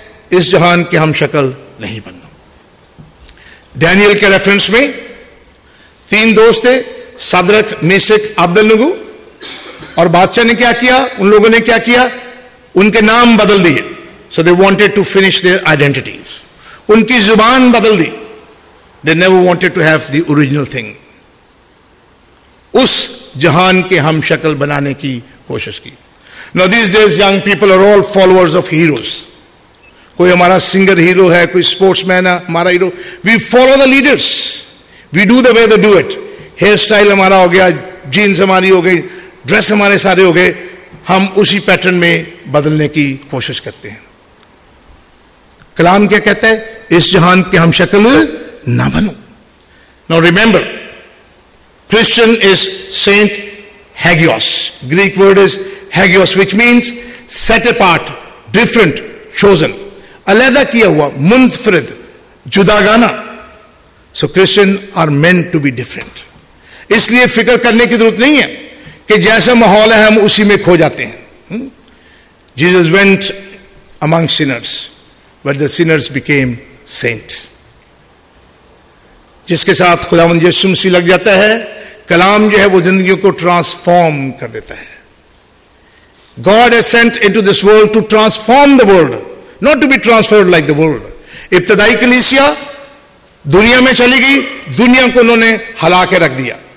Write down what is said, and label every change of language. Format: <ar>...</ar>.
<ur>اس جہان کے ہم شکل نہیں بننا. ڈینیل کے ریفرنس میں تین دوست تھے, صدرک میسک عبدالنگو, اور بادشاہ نے کیا کیا, ان لوگوں نے کیا کیا, ان کے نام بدل دیے.</ur> <en>so they wanted to finish their identities,</en> <ur>ان کی زبان بدل دی.</ur> <en>They never wanted to have the original thing.</en> <ur>اس جہان کے ہم شکل بنانے کی کوشش کی.</ur> <en>Now these days young people are all followers of heroes.</en> <ur>کوئی ہمارا سنگر ہیرو ہے, کوئی اسپورٹس مین ہمارا hero.</ur> <en>We follow the leaders, we do the way they do it.</en> <ur>Hair style ہمارا ہو گیا, جینس ہماری ہو گئی, ڈریس ہمارے سارے ہو گئے, ہم اسی پیٹرن میں بدلنے کی کوشش کرتے ہیں. کلام کیا کہتا ہے؟ اس جہان کے ہم شکل نہ بنو.</ur> <en>Now remember, Christian is Saint Hagios. Greek word is Hagios, which means set apart, different, chosen.</en> <ur>Alada kiya hua, munfrid, judagana.</ur> <en>So Christian are meant to be different.</en> <ur>اس لیے فکر کرنے کی ضرورت نہیں ہے کہ جیسا ماحول ہے ہم اسی میں کھو جاتے ہیں.</ur> <en>Jesus went among sinners, but the sinners became saint.</en> <ur>جس کے ساتھ خداوند یسوع مسیح لگ جاتا ہے, کلام جو ہے وہ زندگیوں کو ٹرانسفارم کر دیتا ہے.</ur> <en>God has sent into this world to transform the world, not to be transferred like the world.</en> <ur>ابتدائی کلیسیا دنیا میں چلی گئی, دنیا کو انہوں نے ہلا کے رکھ دیا.</ur>